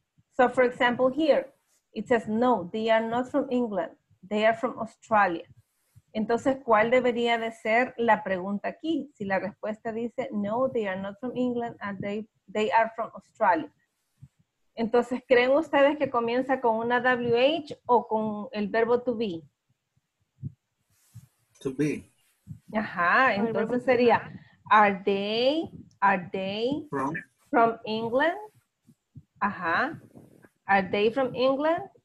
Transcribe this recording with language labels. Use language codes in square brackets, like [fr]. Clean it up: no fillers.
[en] So, for example, here, it says, no, they are not from England, they are from Australia. [es] Entonces, ¿cuál debería de ser la pregunta aquí? Si la respuesta dice, [en] no, they are not from England and they are from Australia. [es] Entonces, ¿creen ustedes que comienza con una WH o con el verbo to be? [en] To be. [es] Ajá, entonces sería, [en] are they from England? Ajá, are they from England?